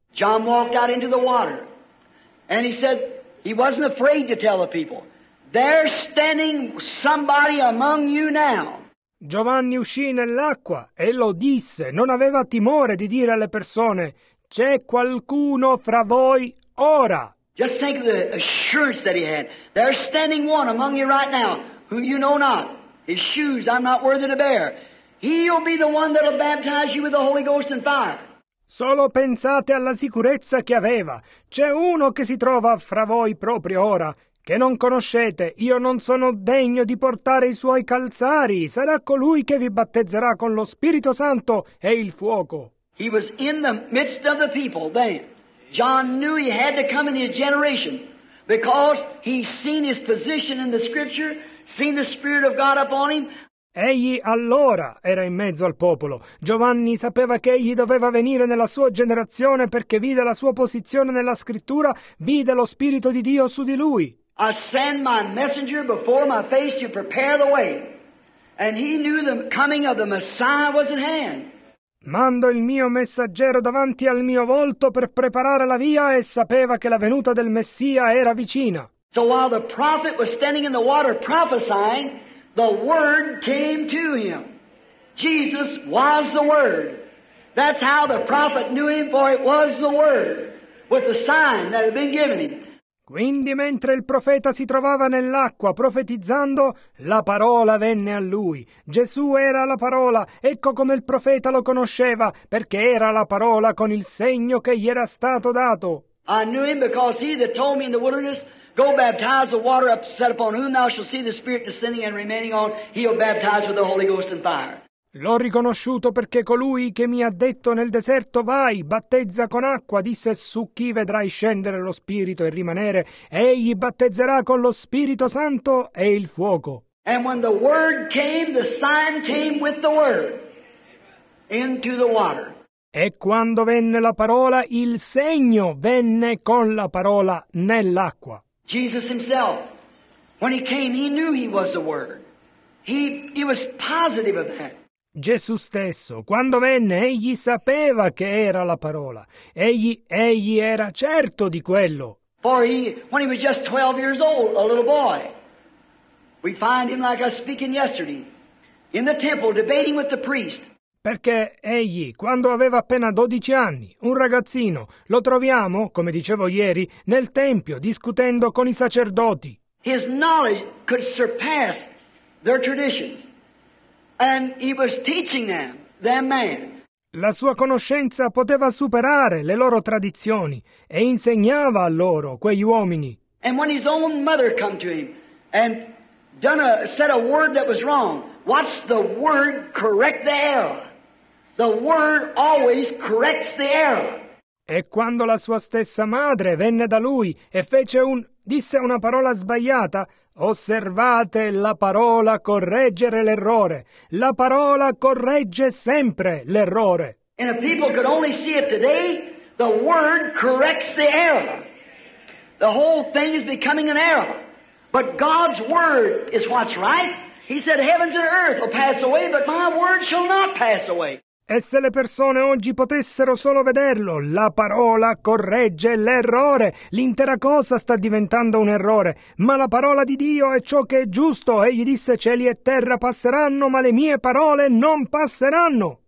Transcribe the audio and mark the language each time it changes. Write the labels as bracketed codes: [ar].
[en] John walked out into the water and he said he wasn't afraid to tell the people. There's standing somebody among you now. [it] Giovanni uscì nell'acqua e lo disse. Non aveva timore di dire alle persone, c'è qualcuno fra voi ora. [en] Just think of the assurance that he had. There's standing one among you right now, who you know not. His shoes I'm not worthy to bear. He'll be the one that'll baptize you with the Holy Ghost and fire. [it] Solo pensate alla sicurezza che aveva. C'è uno che si trova fra voi proprio ora. Che non conoscete, io non sono degno di portare i suoi calzari. Sarà colui che vi battezzerà con lo Spirito Santo e il fuoco. [en] He was in the midst of the people then. John knew he had to come in his generation because he seen his position in the scripture, seen the Spirit of God upon him. [it] Egli allora era in mezzo al popolo. Giovanni sapeva che egli doveva venire nella sua generazione perché vide la sua posizione nella scrittura, vide lo Spirito di Dio su di lui. [en] I send my messenger before my face to prepare the way. And he knew the coming of the Messiah was at hand. [it] Mando il mio messaggero davanti al mio volto per preparare la via e sapeva che la venuta del Messia era vicina. [en] So while the prophet was standing in the water prophesying, the word came to him. Jesus was the word. That's how the prophet knew him, for it was the word with the sign that had been given him. [it] Quindi mentre il profeta si trovava nell'acqua profetizzando, la parola venne a lui. Gesù era la parola, ecco come il profeta lo conosceva, perché era la parola con il segno che gli era stato dato. [en] I knew him because he that told me in the wilderness, go baptize the water set upon whom thou shalt see the Spirit descending and remaining on, he'll baptize with the Holy Ghost and fire. [it] L'ho riconosciuto perché colui che mi ha detto nel deserto, vai, battezza con acqua, disse, su chi vedrai scendere lo Spirito e rimanere, egli battezzerà con lo Spirito Santo e il fuoco. [en] And when the word came, the sign came with the word into the water. [it] E quando venne la parola, il segno venne con la parola nell'acqua. [en] Jesus himself, when he came, he knew he was the word. He was positive of that. [it] Gesù stesso, quando venne, egli sapeva che era la parola. Egli era certo di quello. [en] For he, when he was just 12 years old, a little boy, we find him like I was speaking yesterday, in the temple, debating with the priest. [it] Perché egli, quando aveva appena 12 anni, un ragazzino, lo troviamo, come dicevo ieri, nel tempio, discutendo con i sacerdoti. [en] His knowledge could surpass their traditions. And he was teaching them, that man. [it] La sua conoscenza poteva superare le loro tradizioni e insegnava a loro, quegli uomini. [en] And when his own mother came to him and said a word that was wrong, watch the word correct the error. The word always corrects the error. [it] E quando la sua stessa madre venne da lui e disse una parola sbagliata, osservate, la parola correggere l'errore. La parola corregge sempre l'errore. [en] And if people could only see it today, the word corrects the error. The whole thing is becoming an error. But God's word is what's right. He said, heavens and earth will pass away, but my word shall not pass away. [it] E se le persone oggi potessero solo vederlo, la parola corregge l'errore. L'intera cosa sta diventando un errore. Ma la parola di Dio è ciò che è giusto. Egli disse, cieli e terra passeranno, ma le mie parole non passeranno.